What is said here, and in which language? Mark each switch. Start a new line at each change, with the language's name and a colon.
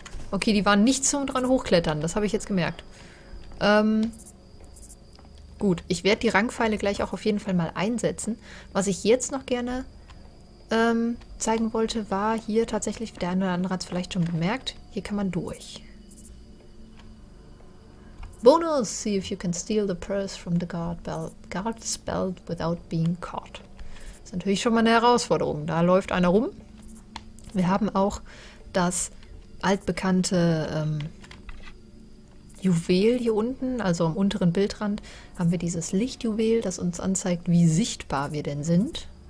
German: Okay, die waren nicht zum dran hochklettern, das habe ich jetzt gemerkt. Gut, ich werde die Rangpfeile gleich auch auf jeden Fall mal einsetzen. Was ich jetzt noch gerne zeigen wollte, war hier tatsächlich, der eine oder andere hat es vielleicht schon bemerkt, hier kann man durch.
English: Bonus, see if you can steal the purse from the guard's belt without being caught.
German: Das ist natürlich schon mal eine Herausforderung, da läuft einer rum. Wir haben auch das altbekannte Juwel hier unten, also am unteren Bildrand, haben wir dieses Lichtjuwel, das uns anzeigt, wie sichtbar wir denn sind.